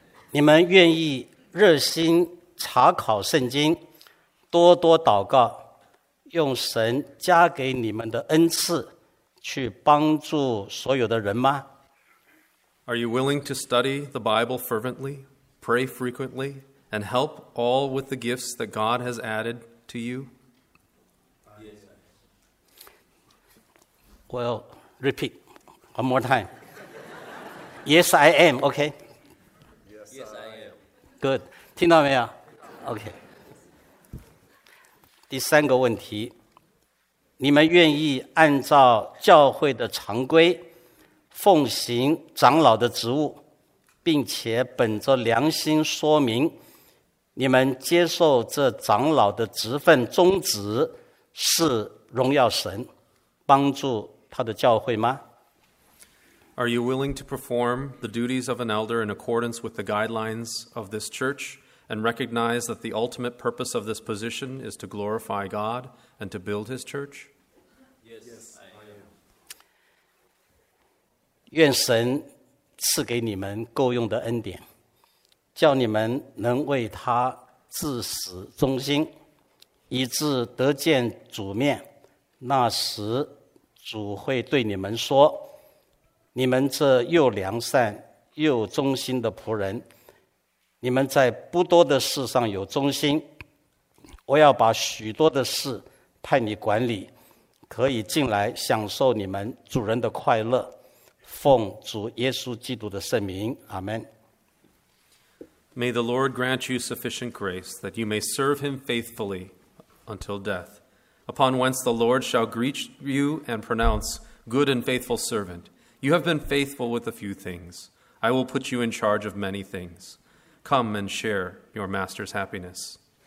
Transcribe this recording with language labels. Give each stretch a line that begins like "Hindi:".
Chinese: 你们愿意热心查考圣经，多多祷告，用神加给你们的恩赐去帮助所有的人吗？
English: Are you willing to study the Bible fervently, pray frequently, and help all with the gifts that God has added to you? Yes. Well, repeat one more time. Yes, I am. Okay. Yes, I am. Good.
Chinese: 听到没有？
English: Okay.
Chinese: 第三个问题，你们愿意按照教会的常规奉行长老的职务，并且本着良心说明你们接受这长老的职分宗旨是荣耀神，帮助他的教会吗？
English: Are you willing to perform the duties of an elder in accordance with the guidelines of this church and recognize that the ultimate purpose of this position is to glorify God and to build his church?
Chinese: 愿神赐给你们够用的恩典，叫你们能为他至死忠心，以致得见主面。那时主会对你们说，你们这又良善又忠心的仆人，你们在不多的事上有忠心，我要把许多的事派你管理，可以进来享受你们主人的快乐。奉主耶稣基督的圣名，阿门。
English: May the Lord grant you sufficient grace that you may serve him faithfully until death, upon whence the Lord shall greet you and pronounce, good and faithful servant, you have been faithful with a few things. I will put you in charge of many things. Come and share your master's happiness.